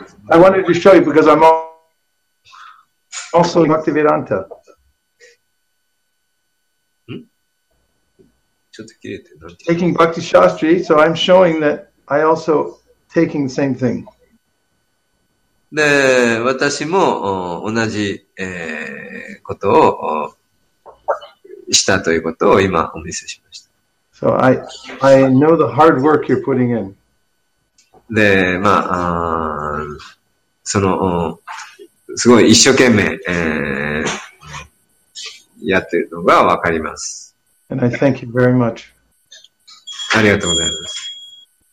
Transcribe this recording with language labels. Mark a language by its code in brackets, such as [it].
[en] I wanted to show you because I'm also Bhaktivedanta. Taking Bhakti Shastri, so I'm showing that I also taking the same thing. [ja] で、私も同じ、ことをしたということを今お見せしました。 [en] So I know the hard work you're putting in. [ja] で、まあ、その、すごい一生懸命、やってるのがわかります。 [en] And I thank you very much. [ja] ありがとうございます。